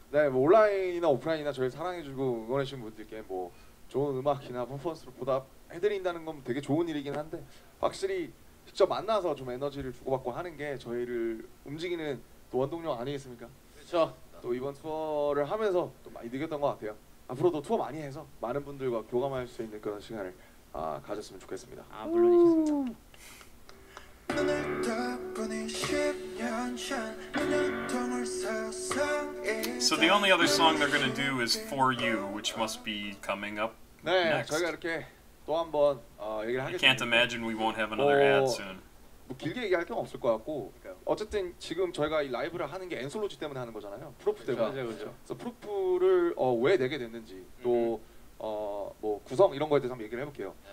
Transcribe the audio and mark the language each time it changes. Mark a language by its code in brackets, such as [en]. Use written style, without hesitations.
[ko] 네, 뭐 온라인이나 오프라인이나 저희 사랑해주고 응원해주신 분들께 뭐 좋은 음악이나 퍼포먼스로 보답해드린다는 건 되게 좋은 일이긴 한데 확실히 직접 만나서 좀 에너지를 주고받고 하는 게 저희를 움직이는 또 원동력 아니겠습니까? 그렇죠. 또 이번 투어를 하면서 또 많이 느꼈던 것 같아요. 앞으로도 투어 많이 해서 많은 분들과 교감할 수 있는 그런 시간을 가졌으면 좋겠습니다. 아 물론이겠습니다. [en] So the only other song they're gonna do is For You, which must be coming up. [ko] 네, [en] next. [ko] 저희가 이렇게 또 한번 얘기를 하게 됩니다. [en] I can't imagine we won't have another ad soon. [ko] 뭐 길게 얘기할 건 없을 것 같고 어쨌든 지금 저희가 이 라이브를 하는 게 엔솔로지 때문에 하는 거잖아요. 프로프 때문에. 그렇죠, 그렇죠. 그래서 프로프를 왜 내게 됐는지 또 뭐 구성 이런 거에 대해서 한번 얘기를 해볼게요.